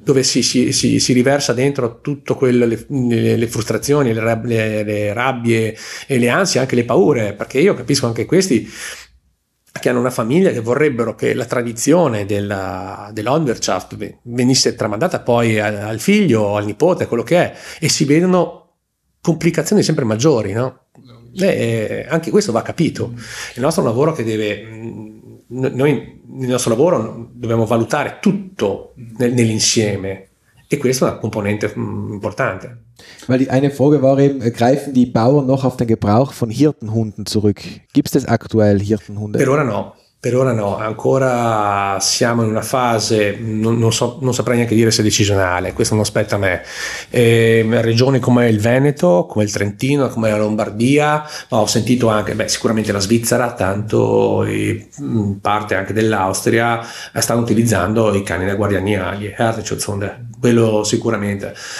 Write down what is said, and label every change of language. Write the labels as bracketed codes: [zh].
[it] Dove si riversa dentro tutto le frustrazioni, le rabbie e le ansie, anche le paure, perché io capisco anche questi che hanno una famiglia che vorrebbero che la tradizione dell'Onderschaft venisse tramandata poi al figlio o al nipote, quello che è, e si vedono complicazioni sempre maggiori, no? Anche questo va capito. Il nostro lavoro che deve... Noi nel nostro lavoro dobbiamo valutare tutto nell'insieme, e questa è una componente importante. [de] Ma eine Frage war eben, greifen die Bauern noch auf den Gebrauch von Hirtenhunden zurück? Gibt es aktuell Hirtenhunde? [it] Per ora no, ancora siamo in una fase, non saprei neanche dire se è decisionale, questo non spetta a me. Regioni come il Veneto, come il Trentino, come la Lombardia, ma ho sentito anche, sicuramente la Svizzera, tanto parte anche dell'Austria, stanno utilizzando i cani da guardiania, gli Herdenschutzhunde, quello sicuramente.